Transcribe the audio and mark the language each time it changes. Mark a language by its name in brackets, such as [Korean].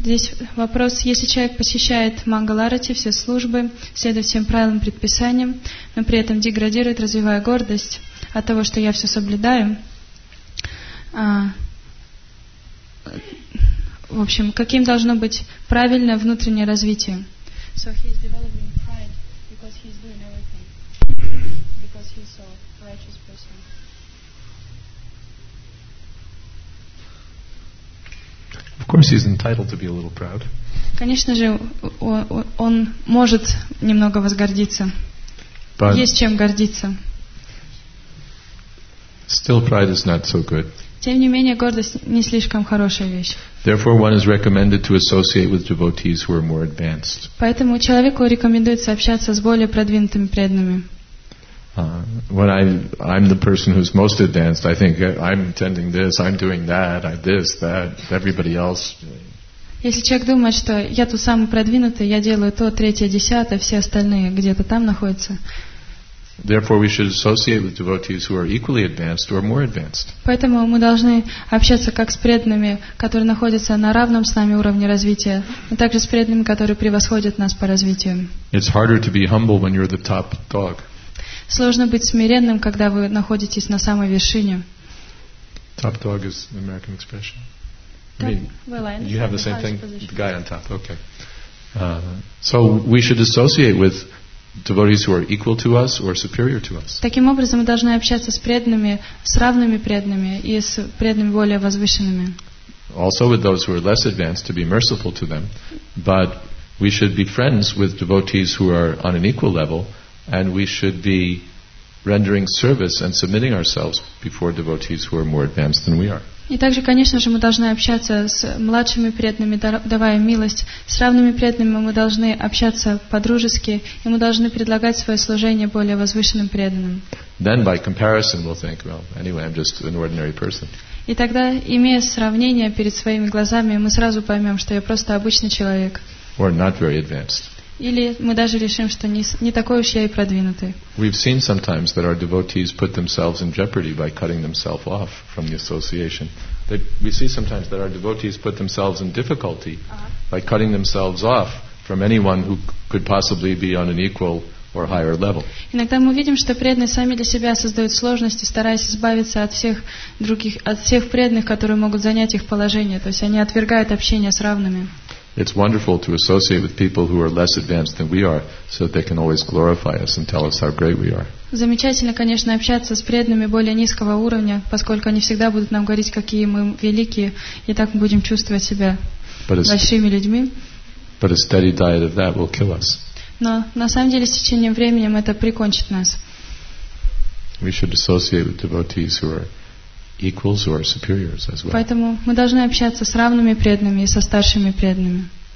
[Russian] Здесь вопрос, если человек посещает Мангаларати, все службы, следует всем правилам и предписаниям, но при этом деградирует, развивая гордость от того, что я все соблюдаю. В общем, каким должно быть правильное внутреннее развитие? [English] So he is developing pride because he is doing everything. Because he is a righteous person. Of course he's entitled to be a little proud. [Russian] Конечно же, он может немного возгордиться. Есть чем гордиться. [English] Still pride is not so good. [Russian] Тем не менее, гордость не слишком хорошая вещь. [English] Therefore, one is recommended to associate with devotees who are more advanced. [Russian] Поэтому человеку рекомендуется общаться с более продвинутыми преданными. [English] When I'm the person who's most advanced, I think I'm attending this, I'm doing that, I this, that, everybody else. [Russian] Если человек думает, что я тут самый продвинутый, я делаю то, третье, десятое, все остальные где-то там находятся. [English] Therefore, we should associate with devotees who are equally advanced or more advanced. [Russian] Поэтому мы должны общаться как с преданными, которые находятся на равном с нами уровне развития, но также с преданными, которые превосходят нас по развитию. [English] It's harder to be humble when you're the top dog. [Russian] Сложно быть смиренным, когда вы находитесь на самой вершине. [English] Top dog is an American expression. Well, you have the same thing. The guy on top. Okay. So we should associate with devotees who are equal to us or superior to us. [Russian] Таким образом, мы должны общаться с преданными, с равными преданными и с преданными более возвышенными. [English] Also with those who are less advanced, to be merciful to them, but we should be friends with devotees who are on an equal level, and we should be rendering service and submitting ourselves before devotees who are more advanced than we are. [Russian] И также, конечно же, мы должны общаться с младшими преданными, давая милость. С равными преданными мы должны общаться по-дружески, и мы должны предлагать свое служение более возвышенным преданным. [English] Then by comparison we'll think, well, anyway, I'm just an ordinary person. [Russian] И тогда, имея сравнение перед своими глазами, мы сразу поймем, что я просто обычный человек. [English] Or not very advanced. [Russian] Или мы даже решим, что не такой уж я и продвинутый. [English] We've seen sometimes that our devotees put themselves in jeopardy by cutting themselves off from the association. That we see sometimes that our devotees put themselves in difficulty by cutting themselves off from anyone who could possibly be on an equal or higher level. [Russian] Иногда мы видим, что преданные сами для себя создают сложности, стараясь избавиться от всех других, от всех преданных, которые могут занять их положение. То есть они отвергают общение с равными. [English] It's wonderful to associate with people who are less advanced than we are, so that they can always glorify us and tell us how great we are. [Russian] Замечательно, конечно, общаться с преданными более низкого уровня, поскольку они всегда будут нам говорить, какие мы великие, и так мы будем чувствовать себя большими людьми. [English] But a steady diet of that will kill us. [Russian] Но на самом деле с течением времени это прикончит нас. [English] We should associate with devotees who are equals or superiors as well. [Russian] Поэтому мы должны общаться с равными преданными и со старшими преданными.